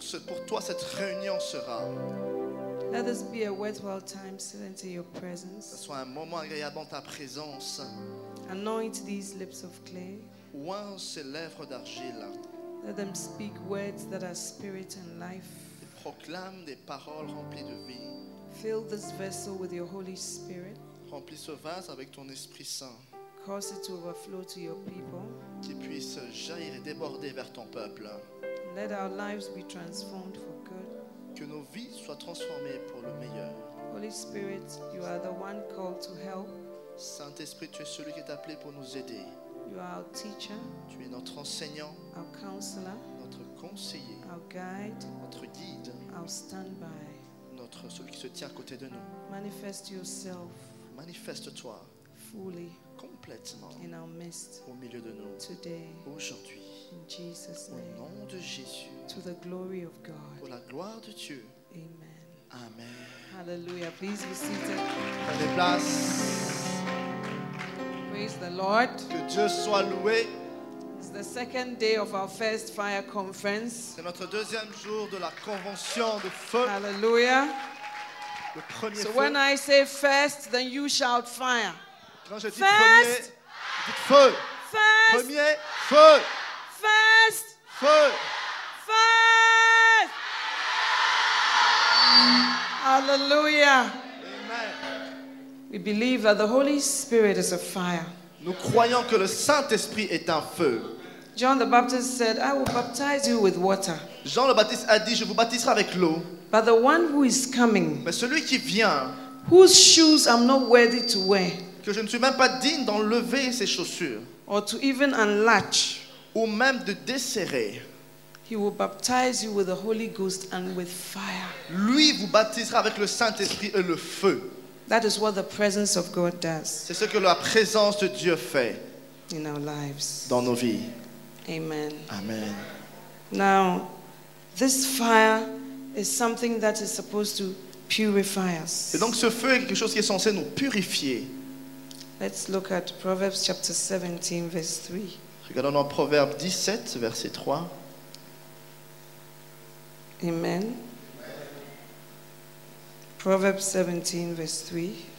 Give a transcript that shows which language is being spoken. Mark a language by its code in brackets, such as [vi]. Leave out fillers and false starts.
[en] Let this be a worthwhile time sit into your presence. [fr] Que ce soit un moment agréable dans ta présence. [en] Anoint these lips of clay. [fr] Oint ces lèvres d'argile. [en] Let them speak words that are spirit and life. [fr] Et proclame des paroles remplies de vie. [en] Fill this vessel with your Holy Spirit. [fr] Remplis ce vase avec ton Esprit Saint. [en] Cause it to overflow to your people. [fr] Qu'il puisse jaillir et déborder vers ton peuple. [en] Let our lives be transformed for good. [fr] Que nos vies soient transformées pour le meilleur. [en] Holy Spirit, you are the one called to help. [fr] Saint-Esprit, tu es celui qui est appelé pour nous aider. [en] You are our teacher. [fr] Tu es notre enseignant. [en] Our counselor. [fr] Notre conseiller. [en] Our guide. [fr] Notre guide. [en] Our standby. [fr] Notre rencontre celui qui se tient à côté de nous. [en] Manifest yourself. [fr] Manifeste-toi. [en] Fully. [fr] Complètement. [en] In our midst. [fr] Au milieu de nous. [en] Today. [fr] Aujourd'hui. [en] In Jesus' name. [fr] Au nom de Jésus. [en] To the glory of God. [fr] Pour la gloire de Dieu. [en] Amen. [fr] Amen. [en] Hallelujah. Please be seated. [fr] Prenez place. [en] Praise the Lord. [fr] Que Dieu soit loué. [en] It's the second day of our first fire conference. [fr] C'est notre deuxième jour de la convention de feu. [en] Hallelujah. [fr] Le premier [en] so [fr] feu. [en] When I say first, then you shout fire. [fr] Quand je dis first. Premier, dites feu. [en] First. [fr] Premier, feu. [en] First. [fr] Feu. [en] First. Hallelujah. Amen. We believe that the Holy Spirit is a fire. [fr] Nous croyons que le Saint-Esprit est un feu. [en] John the Baptist said, I will baptize you with water. [fr] Jean le Baptiste a dit, je vous baptiserai avec l'eau. [en] But the one who is coming, [fr] mais celui qui vient, [en] whose shoes I'm not worthy to wear, [fr] que je ne suis même pas digne d'enlever ses chaussures, [en] or to even unlatch, [fr] ou même de desserrer, [en] he will baptize you with the Holy Ghost and with fire. [fr] Lui vous baptisera avec le Saint-Esprit et le feu. [en] That is what the presence of God does. [fr] C'est ce que la présence de Dieu fait [en] in our lives. [fr] Dans nos vies. [en] Amen. [fr] Amen. [en] Now, this fire is something that is supposed to purify us. [fr] Et donc ce feu est quelque chose qui est censé nous purifier. [en] Let's look at Proverbs chapter 17, verse 3. [fr] Regardons dans Proverbes 17, verset 3. [en] Amen. Proverbs 17, verse 3.